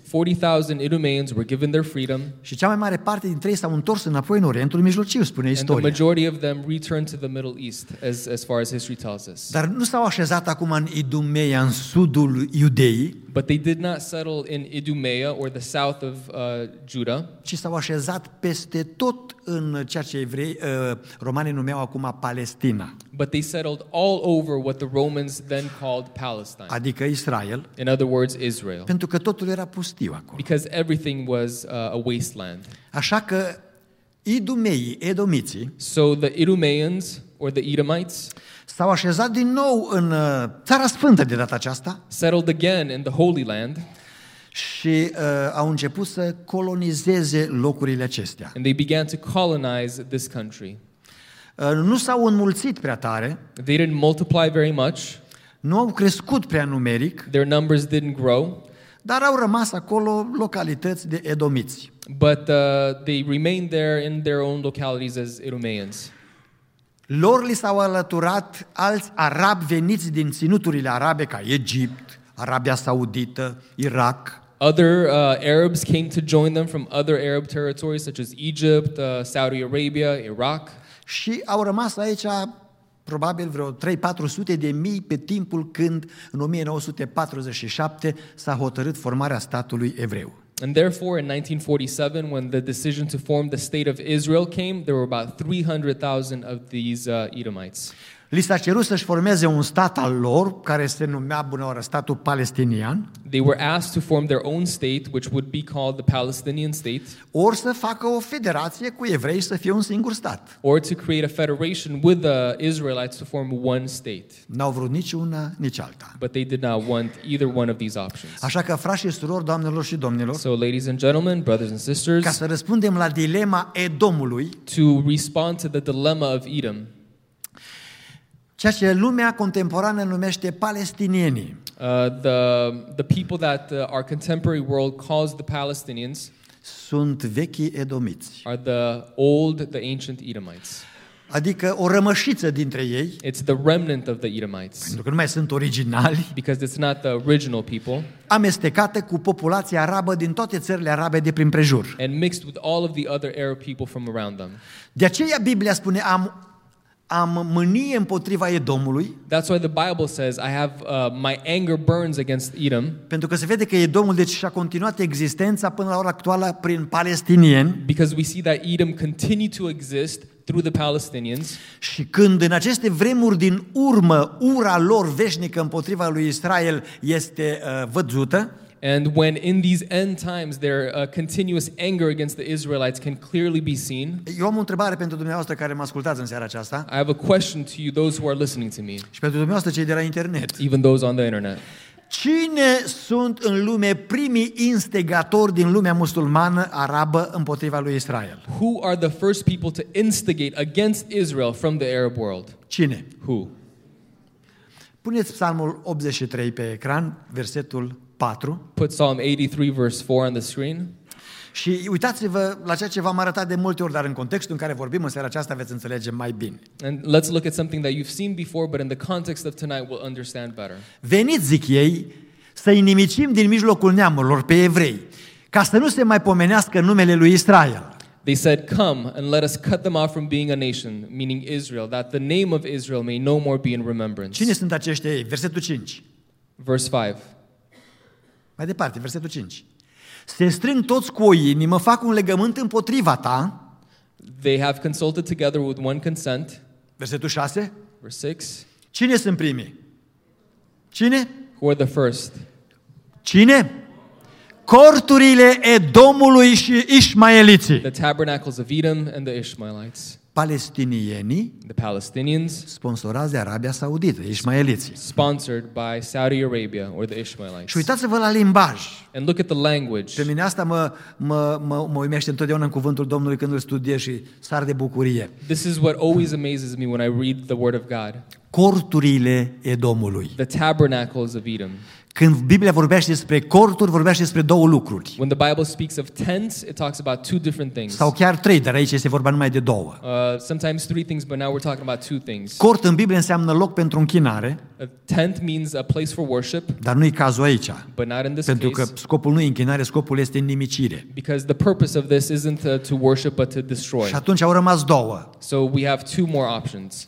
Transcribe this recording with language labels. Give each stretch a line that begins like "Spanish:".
English: 40,000 Idumeans were given their freedom.
Romanian: Și cea mai mare parte dintre ei s-au întors înapoi în Orientul Mijlociu, spune istoria.
English: And the majority of them returned to the Middle East, as far as history tells us.
Romanian: Dar nu s-au așezat acum în Idumeia, în sudul Iudeii.
English: But they did not settle in Idumea or the south of Judah.
Romanian: Ci s-au așezat peste tot în ceea ce evrei, romanii numeau acum Palestina.
English: But they settled all over what the Romans then called Palestine.
Romanian: Adică Israel.
English: In other words, Israel.
Romanian: Pentru că totul era pustiu acolo.
English: Because everything was a wasteland.
Romanian: Așa că Idumeii, Edomiții,
English: so the Idumeans or the Edomites,
Romanian: s-au așezat din nou în Țara Sfântă de data aceasta.
English: Settled again in the Holy Land.
Romanian: Și au început să colonizeze locurile acestea.
English: And they began to colonize this country.
Romanian: Nu s-au înmulțit prea tare.
English: They didn't multiply very much.
Romanian: Nu au crescut prea numeric.
English: Their numbers didn't grow.
Romanian: Dar au rămas acolo localități de edomiți.
English: But they remained there in their own localities as Edomians.
Romanian: Lor li s-au alăturat alți arabi veniți din ținuturile arabe ca Egipt, Arabia Saudită, Irak.
English: Other Arabs came to join them from other Arab territories such as Egypt, Saudi Arabia, Iraq.
Romanian: Și au rămas aici probabil vreo 3-400 de mii pe timpul când în 1947 s-a hotărât formarea statului evreu.
English: And therefore, in 1947, when the decision to form the State of Israel came, there were about 300,000 of these Edomites.
Romanian: Li s-a cerut să-și formeze un stat al lor, care se numea bunăoară statul palestinian.
English: They were asked to form their own state, which would be called the Palestinian state.
Romanian: Or să facă o federație cu evrei să fie un singur stat.
English: Or to create a federation with the Israelites to form one state.
Romanian: N-au vrut nici una, nici alta.
English: But they did not want either one of these options.
Romanian: Așa că, frașii și surori, doamnelor și domnilor,
English: so ladies and gentlemen, brothers and sisters,
Romanian: ca să răspundem la dilema Edomului,
English: to respond to the dilemma of Edom,
Romanian: ceea ce lumea contemporană numește palestinienii.
English: The people that our contemporary world calls the Palestinians
Romanian: sunt vechii edomiți.
English: Are the ancient Edomites.
Romanian: Adică o rămășiță dintre ei.
English: It's the remnant of the Edomites.
Romanian: Pentru că nu mai sunt originali.
English: Because it's not the original people.
Romanian: Amestecate cu populația arabă din toate țările arabe de prin prejur.
English: And mixed with all of the other Arab people from around them.
Romanian: De aceea Biblia spune am Am mânie împotriva Edomului.
English: That's why the Bible says I have my anger burns against Edom.
Romanian: Pentru că se vede că Edomul deci și-a continuat existența până la ora actuală prin palestinieni.
English: Because we see that Edom continued to exist through the Palestinians.
Romanian: Și când în aceste vremuri din urmă ura lor veșnică împotriva lui Israel este văzută.
English: And when in these end times their continuous anger against the Israelites can clearly be seen.
Romanian: Eu am o întrebare pentru dumneavoastră care mă ascultați în seara aceasta.
English: I have a question to you, those who are listening to me.
Romanian: Și pentru dumneavoastră cei de la internet.
English: Even those on the internet.
Romanian: Cine sunt în lume primii instigatori din lumea musulmană arabă împotriva lui Israel?
English: Who are the first people to instigate against Israel from the Arab world?
Romanian: Cine?
English: Who?
Romanian: Puneți Psalmul 83 pe ecran, versetul 4.
English: Put Psalm 83 verse 4 on the screen.
Romanian: Și uitați-vă la ceea ce v-am arătat de multe ori, dar în contextul în care vorbim în seara aceasta veți înțelege mai bine.
English: And let's look at something that you've seen before, but in the context of tonight we'll understand better.
Romanian: Veniți, zic ei, să inimicim din mijlocul neamurilor pe evrei, ca să nu se mai pomenească numele lui Israel.
English: They said, come and let us cut them off from being a nation, meaning Israel, that the name of Israel may no more be in remembrance.
Romanian: Cine sunt aceștia ei? Versetul 5.
English: Verse 5.
Romanian: Mai departe, versetul 5. Se strâng toți cu o inimă, fac un legământ împotriva ta.
English: They have consulted together with one consent.
Romanian: Versetul 6.
English: Verse 6.
Romanian: Cine sunt primii? Cine?
English: Who are the first?
Romanian: Cine? Corturile Edomului și Ishmaeliții.
English: The tabernacles of Edom and the Ishmaelites.
Romanian: Palestinienii.
English: The Palestinians.
Romanian: Sponsorați de Arabia Saudită, Ishmaeliții.
English: Sponsored by Saudi Arabia or the Ishmaelites.
Romanian: Și uitați-vă la limbaj.
English: And look at the language.
Romanian: Pe mine asta mă uimește întotdeauna în cuvântul Domnului când îl studiez și sar de bucurie.
English: This is what always amazes me when I read the word of God.
Romanian: Corturile Edomului.
English: The tabernacles of Edom.
Romanian: Când Biblia vorbește despre corturi, vorbește despre două lucruri.
English: When the Bible speaks of tents, it talks about two different things.
Romanian: Sau chiar trei, dar aici este vorba numai de două.
English: Sometimes three things, but now we're talking about two things.
Romanian: Cort în Biblie înseamnă loc pentru închinare.
English: A tent means a place for worship.
Romanian: Dar nu e cazul aici.
English: But not in this
Romanian: pentru
English: case.
Romanian: Pentru că scopul nu e închinare, scopul este nimicire.
English: Because the purpose of this isn't to worship but to destroy.
Romanian: Și atunci au rămas două.
English: So we have two more options.